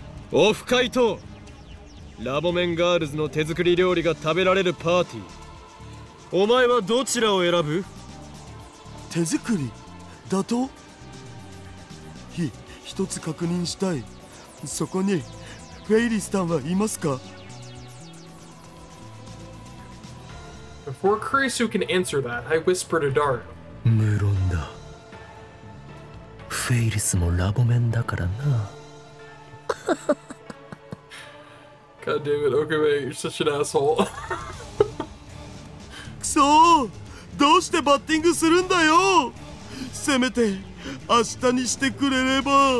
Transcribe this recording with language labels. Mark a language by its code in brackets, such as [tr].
[ja] オフ会とラボメンガールズの手作り料理が食べられるパーティー、お前はどちらを選ぶ？手作りだと？ひ、一つ確認したい。そこにフェイリスタンはいますか？ [en] Before Kurisu can answer that, I whisper to Dart. [ja] 無論だ。フェイリスもラボメンだからな。 [en] God damn it, Okabe, you're such an asshole. [ja] くそー、どうしてバッティングするんだよ。せめて明日にしてくれれば。